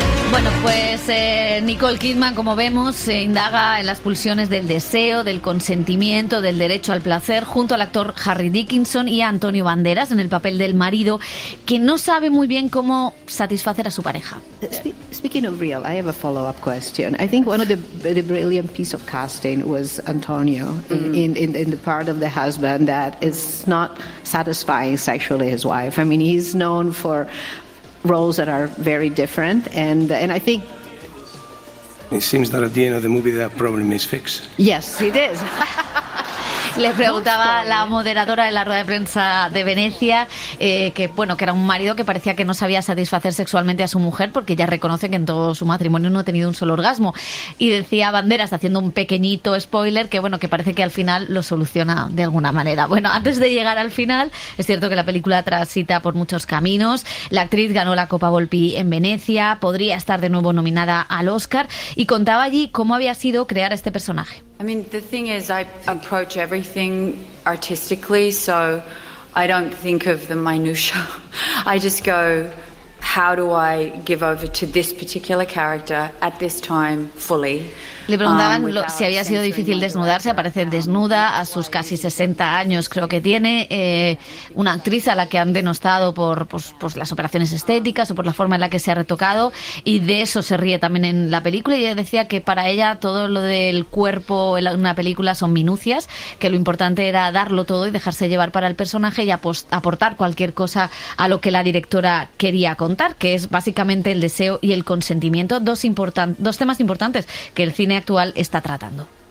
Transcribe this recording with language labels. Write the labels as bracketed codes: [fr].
[es] Bueno, pues Nicole Kidman, como vemos, se indaga en las pulsiones del deseo, del consentimiento, del derecho al placer, junto al actor Harry Dickinson y a Antonio Banderas en el papel del marido, que no sabe muy bien cómo satisfacer a su pareja. [en] Speaking of real, I have a follow-up question. I think one of the brilliant piece of casting was Antonio in the part of the husband that is not satisfying sexually his wife. I mean, he's known for roles that are very different, and I think it seems that at the end of the movie that problem is fixed. Yes, it is. [es] Le preguntaba la moderadora de la rueda de prensa de Venecia que era un marido que parecía que no sabía satisfacer sexualmente a su mujer, porque ella reconoce que en todo su matrimonio no ha tenido un solo orgasmo. Y decía Banderas, haciendo un pequeñito spoiler, que parece que al final lo soluciona de alguna manera. Bueno, antes de llegar al final, es cierto que la película transita por muchos caminos. La actriz ganó la Copa Volpi en Venecia, podría estar de nuevo nominada al Oscar, y contaba allí cómo había sido crear este personaje. [en] I mean, the thing is, I approach everything artistically, so I don't think of the minutiae. I just go, how do I give over to this particular character at this time fully? [es] Le preguntaban si había sido difícil desnudarse. Aparece desnuda a sus casi 60 años, creo que tiene, una actriz a la que han denostado por las operaciones estéticas o por la forma en la que se ha retocado, y de eso se ríe también en la película. Y ella decía que para ella todo lo del cuerpo en una película son minucias, que lo importante era darlo todo y dejarse llevar para el personaje y aportar cualquier cosa a lo que la directora quería contar, que es básicamente el deseo y el consentimiento, dos temas importantes que el cine actual está tratando.